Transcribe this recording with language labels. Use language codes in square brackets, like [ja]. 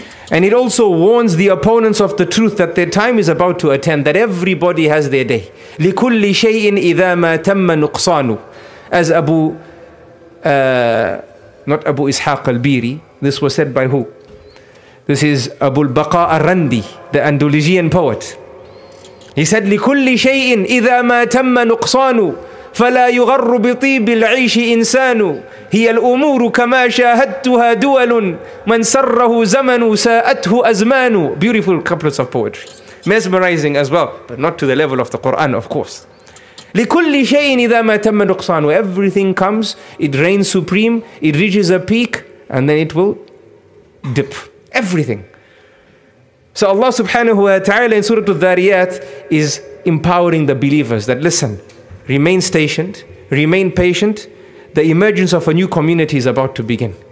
[en] And it also warns the opponents of the truth that their time is about to attend, that everybody has their day. [ar] لِكُلِّ شَيْءٍ إِذَا مَا تَمَّ نُقْصَانُ. [en] as Abu, not Abu Ishaq al-Biri, this was said by who? This is Abu al-Baqa al-Randi, the Andalusian poet. [ar] He said, لكل شيء إذا ما تم نقصان فلا يغر بطيب العيش إنسان هي الأمور كما شاهدتها دول من سره زمن ساءته أزمان. [en] Beautiful couplets of poetry. Mesmerizing as well, but not to the level of the Quran, of course. [ar] لكل شيء إذا ما تم نقصان. [en] Everything comes, it reigns supreme, it reaches a peak, and then it will dip. Everything. So Allah subhanahu wa ta'ala in Surah Al-Dhariyat is empowering the believers that listen, remain stationed, remain patient, the emergence of a new community is about to begin.